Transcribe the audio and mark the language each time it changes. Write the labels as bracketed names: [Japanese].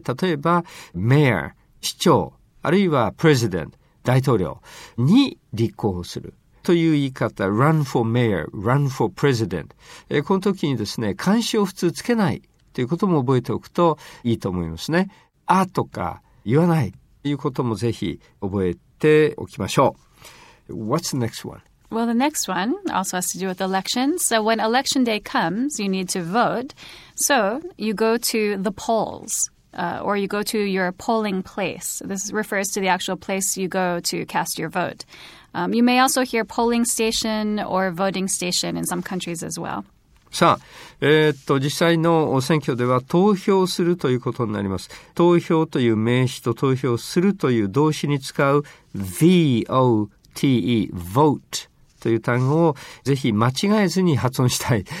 [Japanese] 例えば mayor 市長、あるいは president 大統領に立候補するという言い方、 run for mayor, run for president。この時にですね、冠詞を普通つけないということも覚えておくといいと思いますね。あとか言わないということもぜひ覚えておきましょう。 [English] What's the next one? Well, the next one also has to do with elections. So when election day comes, you need to vote. So you go to the polls, or you go to your polling place. This refers to the actual place you go to cast your vote. You may also hear polling station or voting station in some countries as well. [Japanese] さあ、実際の選挙では投票するということになります。投票という名詞と投票するという動詞に使う VOTE、vote という単語をぜひ間違えずに発音したい。